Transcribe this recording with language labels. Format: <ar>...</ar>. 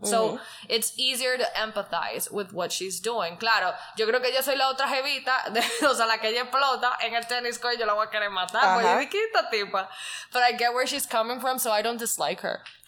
<en>So, it's easier to empathize with what she's doing.</en> <es>Claro, yo creo que yo soy la otra jevita, la que ella explota en el tennis court, yo la voy a querer matar, porque yo dije, esta tipa.</es> <en>But I get where she's coming from, so I don't dislike her.</en>